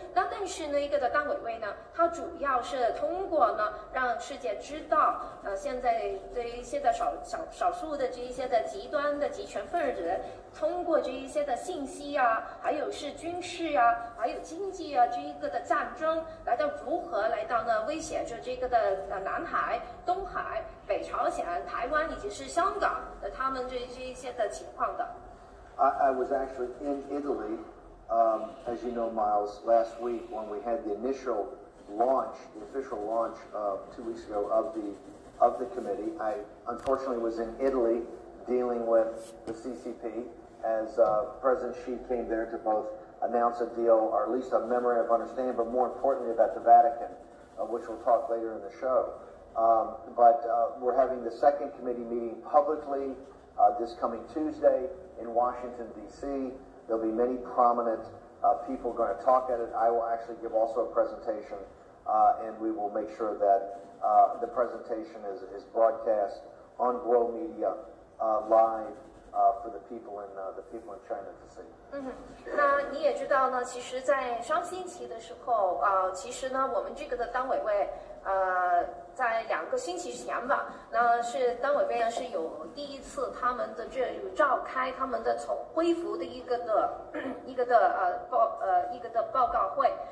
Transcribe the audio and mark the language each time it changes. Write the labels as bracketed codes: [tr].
[zh] 那但是呢一个的党委会呢，它主要是通过呢让世界知道，现在这一些的少数的这一些的极端的集权分子，通过这一些的信息啊，还有是军事啊，还有经济啊，这一个的战争来到如何来到呢威胁着这个的南海、东海、北朝鲜、台湾以及是香港的他们这一些的情况的。 [en] I was actually in Italy. As you know, Miles, last week when we had the initial launch, the official launch of 2 weeks ago of the committee, I unfortunately was in Italy dealing with the CCP as President Xi came there to both announce a deal or at least a memorandum of understanding, but more importantly about the Vatican, which we'll talk later in the show. But we're having the second committee meeting publicly this coming Tuesday in Washington, D.C. There'll be many prominent people going to talk at it. I will actually give also a presentation, and we will make sure that the presentation is broadcast on Glow Media live for the people in China to see. [zh] 那你也知道呢，其实在双星期的时候，其实呢，我们这个的党委会，在两个星期前吧，那是党委会呢是有第一次他们的这有召开他们的从恢复的一个的报告会。